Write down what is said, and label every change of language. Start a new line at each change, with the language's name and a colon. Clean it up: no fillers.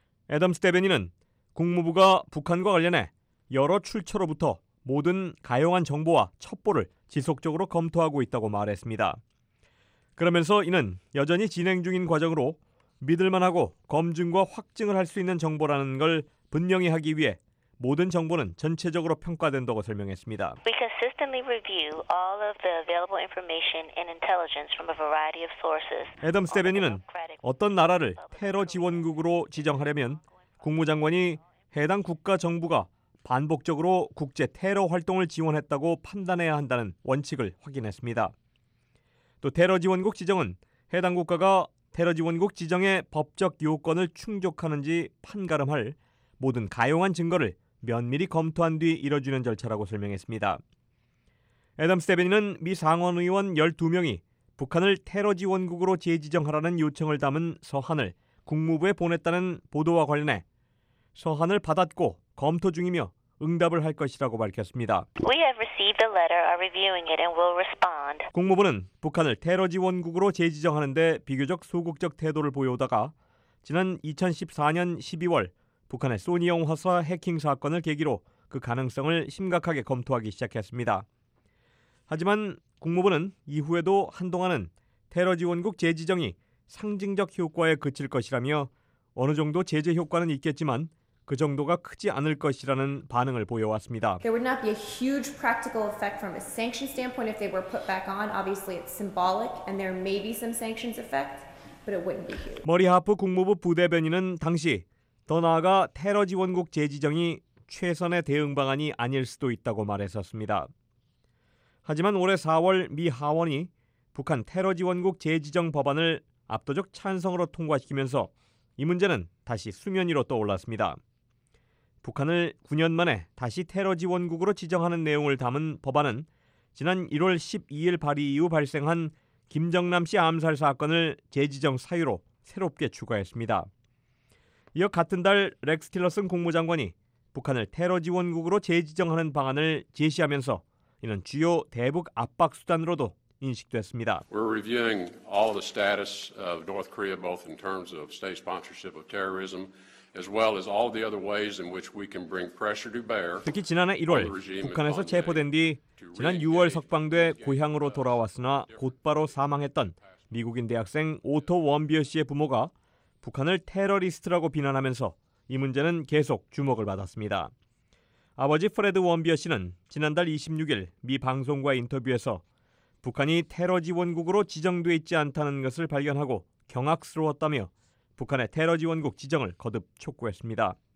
Korean: 애덤스 대변인은 국무부가 북한과 관련해 여러 출처로부터 모든 가용한 정보와 첩보를 지속적으로 검토하고 있다고 말했습니다. 그러면서 이는 여전히 진행 중인 과정으로 믿을만하고 검증과 확증을 할 수 있는 정보라는 걸 분명히 하기 위해 모든 정보는 전체적으로 평가된다고 설명했습니다.
English: We consistently review all of the available information and intelligence from a variety of sources.
Korean: 애덤스 대변인은 어떤 나라를 테러 지원국으로 지정하려면 국무장관이 해당 국가 정부가 반복적으로 국제 테러 활동을 지원했다고 판단해야 한다는 원칙을 확인했습니다. 또 테러 지원국 지정은 해당 국가가 테러 지원국 지정의 법적 요건을 충족하는지 판가름할 모든 가용한 증거를 면밀히 검토한 뒤 이뤄지는 절차라고 설명했습니다. 애덤 스테빈은 미 상원의원 12명이 북한을 테러 지원국으로 재지정하라는 요청을 담은 서한을 국무부에 보냈다는 보도와 관련해 서한을 받았고 검토 중이며 응답을 할 것이라고 밝혔습니다.
English: We have received the letter, are reviewing it and will respond.
Korean: 국무부는 북한을 테러 지원국으로 재지정하는 데 비교적 소극적 태도를 보여오다가 지난 2014년 12월 북한의 소니 영화사 해킹 사건을 계기로 그 가능성을 심각하게 검토하기 시작했습니다. 하지만 국무부는 이후에도 한동안은 테러 지원국 재지정이 상징적 효과에 그칠 것이라며 어느 정도 제재 효과는 있겠지만 그 정도가 크지 않을 것이라는 반응을 보여왔습니다.
English: There would not be a huge practical effect from a sanction standpoint if they were put back on. Obviously, it's symbolic and there may be some sanctions effect, but it wouldn't be huge.
Korean: 머리 하프 국무부 부대변인은 당시 더 나아가 테러 지원국 재지정이 최선의 대응 방안이 아닐 수도 있다고 말했었습니다. 하지만 올해 4월 미 하원이 북한 테러 지원국 재지정 법안을 압도적 찬성으로 통과시키면서 이 문제는 다시 수면 위로 떠올랐습니다. 북한을 9년 만에 다시 테러 지원국으로 지정하는 내용을 담은 법안은 지난 1월 12일 발의 이후 발생한 김정남 씨 암살 사건을 재지정 사유로 새롭게 추가했습니다. 이어 같은 달 렉스 틸러슨 국무장관이 북한을 테러 지원국으로 재지정하는 방안을 제시하면서 이는 주요 대북 압박 수단으로도 인식됐습니다.
English: We're reviewing all the status of North Korea both in terms of state sponsorship of terrorism as well as all the other ways in which we can bring pressure to bear.
Korean: 특히 지난해 1월 북한에서 체포된 뒤 지난 6월 석방돼 고향으로 돌아왔으나 곧바로 사망했던 미국인 대학생 오토 원비어 씨의 부모가 북한을 테러리스트라고 비난하면서 이 문제는 계속 주목을 받았습니다. 아버지 프레드 원비어 씨는 지난달 26일 미 방송과 인터뷰에서 북한이 테러 지원국으로 지정돼 있지 않다는 것을 발견하고 경악스러웠다며 북한의 테러 지원국 지정을 거듭 촉구했습니다.